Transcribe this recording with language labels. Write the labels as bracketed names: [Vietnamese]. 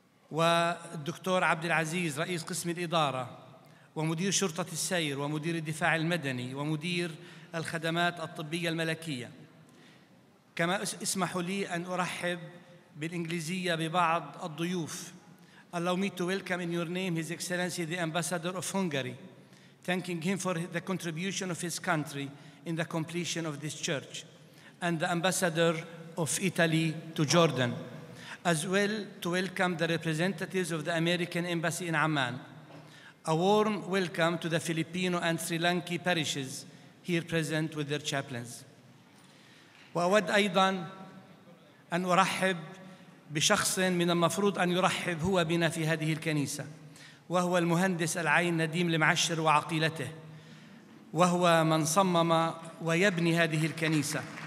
[Arabic] والدكتور عبد العزيز رئيس قسم الإدارة ومدير شرطة السير ومدير الدفاع المدني ومدير الخدمات الطبية الملكية. كما اسمحوا لي أن أرحب بالإنجليزية ببعض الضيوف. [English] Allow me to welcome in your name His Excellency the Ambassador of Hungary, thanking him for the contribution of his country in the completion of this church, and the Ambassador of Italy to Jordan, as well to welcome the representatives of the American Embassy in Amman. A warm welcome to the Filipino and Sri Lankan parishes here present with their chaplains. [Arabic] وأود أيضاً أن أرحب بشخص من المفروض أن يرحب هو بنا في هذه الكنيسة، وهو المهندس العين نديم المعشر وعقيلته، وهو من صمم ويبني هذه الكنيسة.